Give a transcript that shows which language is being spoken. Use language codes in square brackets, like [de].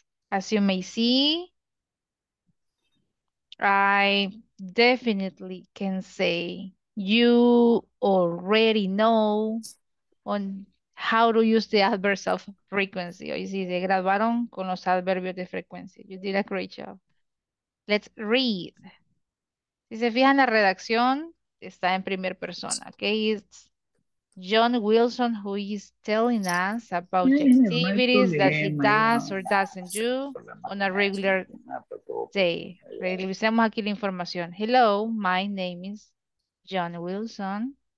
[en] As you may see, I definitely can say you already know on how to use the adverbs of frequency. [es] Hoy sí se graduaron con los adverbios de frecuencia. [en] You did a great job. Let's read. [es] Si se fijan la redacción, está en primera persona. [en] Okay, it's John Wilson who is telling us about activities that he does or doesn't do on a regular day. [es] Revisemos aquí la información. [en] Hello, my name is John Wilson.